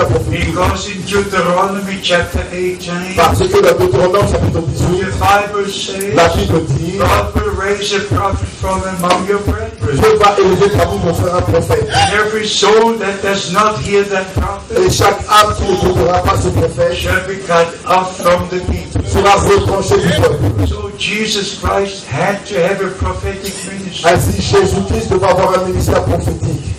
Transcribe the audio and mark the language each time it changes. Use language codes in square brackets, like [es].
[en] because in Deuteronomy chapter [fr] 18, parce que dans chapitre 18, [en] the Bible says, [fr] la Bible dit, [en] God will raise a prophet from among your brethren. [fr] Va élever parmi vos frères un prophète. [en] And every soul that does not hear that prophet, [fr] et chaque âme qui n'écoutera pas ce prophète, [en] shall be cut off from the people. [fr] Sera retranché du peuple. [en] So Jesus Christ had to have a prophetic ministry. [fr] Ainsi Jésus-Christ devait avoir un ministère prophétique.